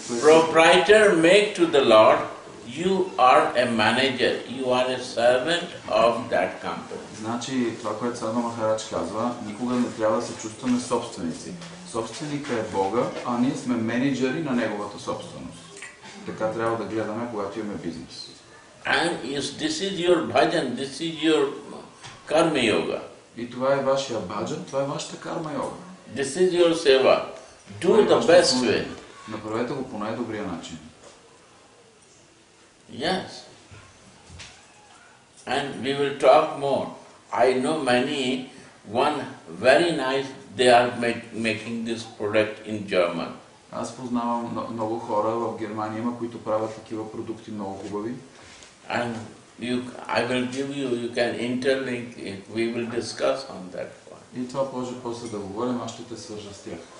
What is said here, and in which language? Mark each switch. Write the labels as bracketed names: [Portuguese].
[English] Proprietor make to the Lord, you are a manager, you are a servant of that company. [Bulgarian] Значи това, което Садха Махарадж казва, никога не трябва да се чувстваме собственици. Собственика е Бога, а ние сме менеджери на Неговата собственост. Така трябва да гледаме, когато имаме бизнес. [English] And yes, this is your bhajan, this is your karma yoga. [Bulgarian] И това е вашия bhajan, това е вашата karma yoga. [English] This is your seva. Do the best way. [Bulgarian] Направете го по най-добрия начин. [English] Yes. And we will talk more. I know many, one very nice, they are making this product in German. [Bulgarian] Аз познавам много хора в Германия, има които правят такива продукти много хубави. [English] And I will give you, you can interlink it, we will discuss on that one. [Bulgarian] И това може после да говорим, аз ще те свържа с тях.